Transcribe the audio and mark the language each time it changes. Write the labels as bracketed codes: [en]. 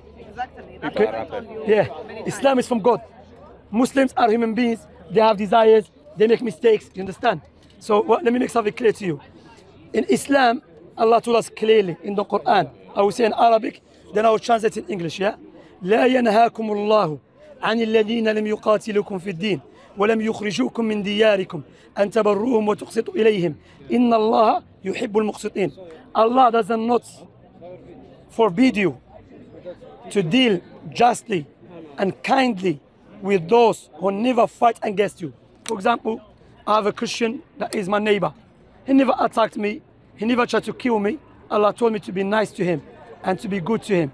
[en] Exactly. Okay. Yeah. Islam is from God. Muslims are human beings. They have desires. They make mistakes. You understand? So let me make something clear to you. In Islam, Allah told us clearly in the Quran. I will say in Arabic, then I will translate it in English. Yeah. [ar] لا ينهاكم الله عن الذين لم يقاتلكم في الدين ولم يخرجوكم من دياركم أن تبروهم وتقسطوا إليهم إن الله يحب المقسطين. [en] Allah does not forbid you to deal justly and kindly with those who never fight against you. For example, I have a Christian that is my neighbor. He never attacked me. He never tried to kill me. Allah told me to be nice to him and to be good to him.